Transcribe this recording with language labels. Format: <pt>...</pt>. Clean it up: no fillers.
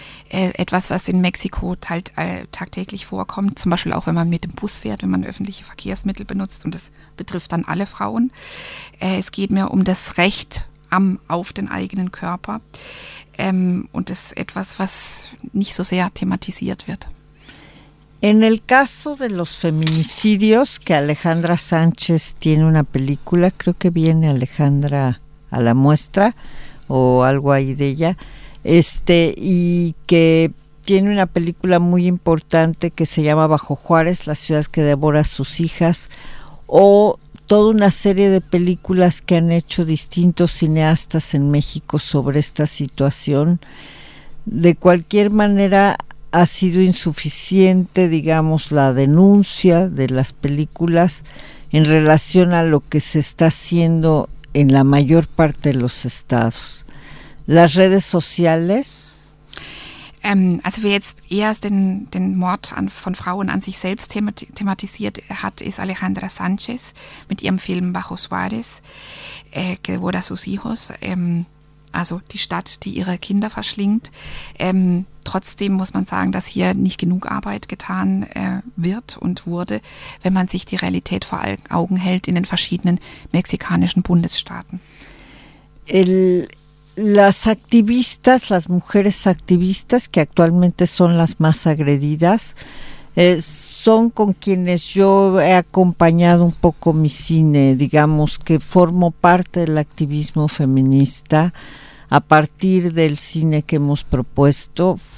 <de>Etwas, was in Mexiko tagtäglich vorkommt, zum Beispiel auch, wenn man mit dem Bus fährt, wenn man öffentliche Verkehrsmittel benutzt, und das betrifft dann alle Frauen. Es geht mir um das Recht auf den eigenen Körper. Und es ist etwas, was nicht so sehr thematisiert wird.</de> <es>En el caso de los feminicidios, que Alejandra Sánchez tiene una película, creo que viene Alejandra a la muestra o algo ahí de ella, y que tiene una película muy importante que se llama Bajo Juárez, la ciudad que devora a sus hijas, o toda una serie de películas que han hecho distintos cineastas en México sobre esta situación. De cualquier manera, ha sido insuficiente, digamos, la denuncia de las películas en relación a lo que se está haciendo en la mayor parte de los estados. Las redes sociales.</es> <de>Also wer jetzt erst den Mord von Frauen an sich selbst thematisiert hat, ist Alejandra Sánchez mit ihrem Film Bajo Suárez, Que devora sus hijos, also die Stadt, die ihre Kinder verschlingt. Trotzdem muss man sagen, dass hier nicht genug Arbeit getan wird und wurde, wenn man sich die Realität vor Augen hält in den verschiedenen mexikanischen Bundesstaaten.</de> <es>Las activistas, las mujeres activistas, que actualmente son las más agredidas, son con quienes yo he acompañado un poco mi cine, digamos que formo parte del activismo feminista a partir del cine que hemos propuesto.</es>